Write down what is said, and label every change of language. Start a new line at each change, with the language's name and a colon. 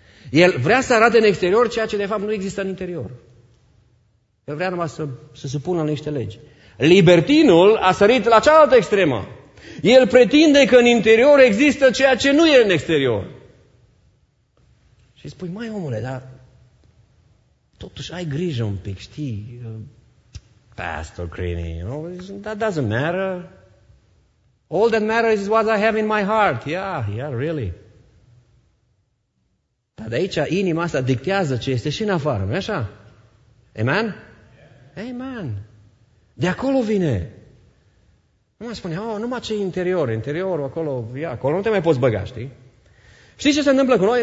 Romanian: El vrea să arate în exterior ceea ce de fapt nu există în interior. El vrea numai să supună niște legi. Libertinul a sărit la cealaltă extremă. El pretinde că în interior există ceea ce nu e în exterior. Și spui, măi omule, dar totuși ai grijă un pic, știi?
English: Pastor Crini, you know, that doesn't matter. All that matters is what I have in my heart. Yeah, really.
Romanian: Dar de aici inima asta dictează ce este și în afară, nu-i așa? Amen? Yeah. Amen. De acolo vine. Nu mai spune, numai ce interior, interiorul acolo, acolo nu te mai poți băga, știi? Știi ce se întâmplă cu noi?